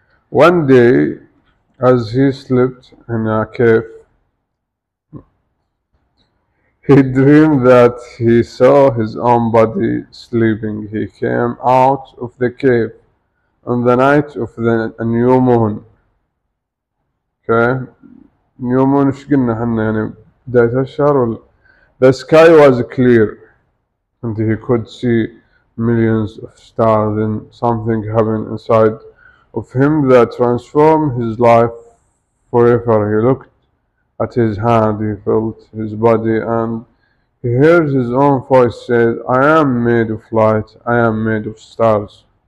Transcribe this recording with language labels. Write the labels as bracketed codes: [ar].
[en] One day, as he slept in a cave, he dreamed that he saw his own body sleeping. He came out of the cave on the night of the new moon. Okay, new moon. [ar] إيش قلنا حنا يعني بداية الشهر. [en] The sky was clear, and he could see millions of stars. And something happened inside of him that transformed his life forever. He looked at his hand, he felt his body, and he heard his own voice say, "I am made of light, I am made of stars."